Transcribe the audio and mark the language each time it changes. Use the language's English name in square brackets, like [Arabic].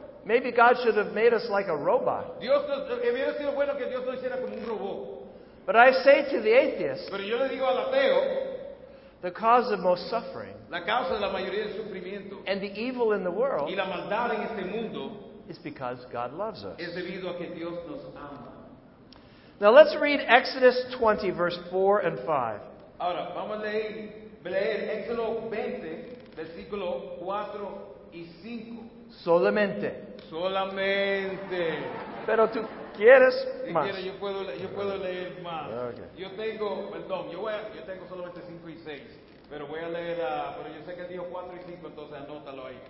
[English] Maybe God should have made us like a robot. [Spanish] Dios, hubiera sido bueno que Dios lo hiciera como un robot. [English] But I say to the atheist, [Spanish] pero yo le digo al ateo, [English] the cause of most suffering, [Spanish] la causa de la mayoría del sufrimiento, [English] and the evil in the world, [Spanish] y la maldad en este mundo, [English] is because God loves us. [Spanish] Es debido a que Dios nos ama. [English] Now let's read Exodus 20, verse 4 and 5. [Spanish] Ahora, vamos a leer Éxodo 20, versículo 4 y 5. Solamente. Solamente. Pero tú quieres si más. Quiero, yo puedo leer más. Okay. Yo tengo, perdón, yo tengo solamente 5 y 6. Pero voy a leer, pero yo sé que dijo 4 y 5, entonces anótalo ahí.